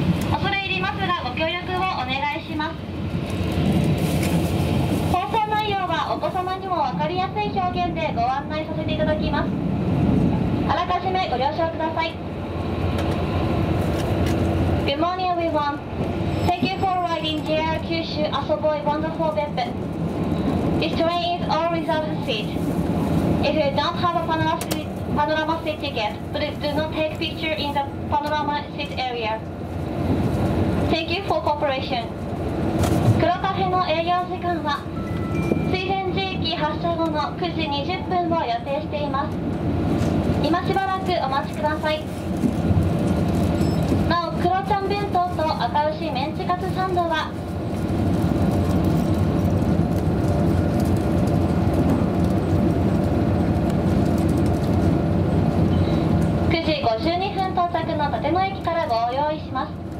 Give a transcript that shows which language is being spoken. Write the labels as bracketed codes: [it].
[ja] 恐れ入りますが、ご協力をお願いします。放送内容はお子様にも分かりやすい表現でご案内させていただきます。あらかじめご了承ください。 [en] Good morning, everyone. Thank you for riding JR 九州あそぼうい Wonderful 別府。 This train is all reserved seat. If you don't have a panorama seat ticket, please do not take picture in the panorama seat area. Thank you for cooperation. [ja] 黒カフェの営業時間は水仙寺駅発車後の9時20分を予定しています。今しばらくお待ちください。なお、黒ちゃん弁当と赤牛メンチカツサンドは52分到着の立野駅からご用意します。